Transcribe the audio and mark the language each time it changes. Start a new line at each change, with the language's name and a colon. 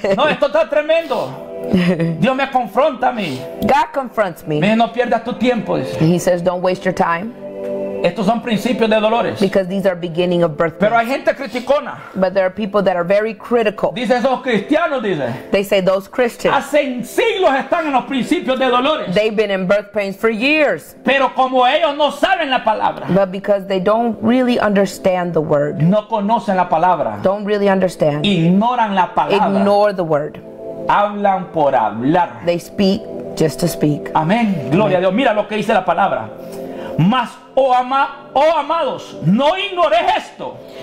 Spanish: No, esto está tremendo. Dios me confronta a mí.
English: God confronts me.
Spanish: Me dice, no pierdas tu tiempo.
English: He says, don't waste your time.
Spanish: Estos son principios de dolores.
English: Because these are beginning of birth.
Spanish: Pero hay gente criticona.
English: But there are people that are very critical.
Spanish: Dice esos cristianos, dice.
English: They say those Christians.
Spanish: Hace siglos están en los principios de dolores.
English: They've been in birth pains for years.
Spanish: Pero como ellos no saben la palabra.
English: But because they don't really understand the word.
Spanish: No conocen la palabra.
English: Don't really understand.
Spanish: Ignoran la palabra.
English: Ignore the word.
Spanish: Hablan por hablar.
English: They speak just to speak.
Spanish: Amén. Gloria a Dios. Mira lo que dice la palabra. Mas oh amados, no ignores esto.